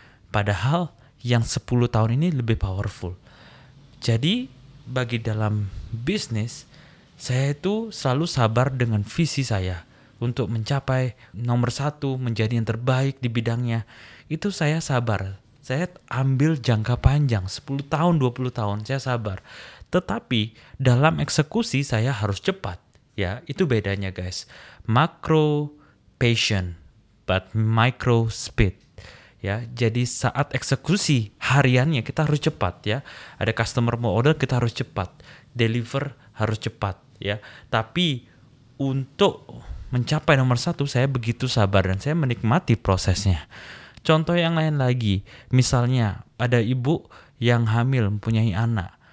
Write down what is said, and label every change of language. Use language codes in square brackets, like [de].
[id] Padahal yang 10 tahun ini lebih powerful. Jadi bagi dalam bisnis, saya itu selalu sabar dengan visi saya untuk mencapai nomor 1, menjadi yang terbaik di bidangnya. Itu saya sabar. Saya ambil jangka panjang, 10 tahun, 20 tahun, saya sabar. Tetapi dalam eksekusi saya harus cepat. Ya, itu bedanya guys. [en] Macro patient but micro speed. [id] Ya, jadi saat eksekusi hariannya kita harus cepat ya. Ada customer mau order kita harus cepat, deliver harus cepat ya. Tapi untuk mencapai nomor 1 saya begitu sabar dan saya menikmati prosesnya. Contoh yang lain lagi, misalnya ada ibu yang hamil mempunyai anak.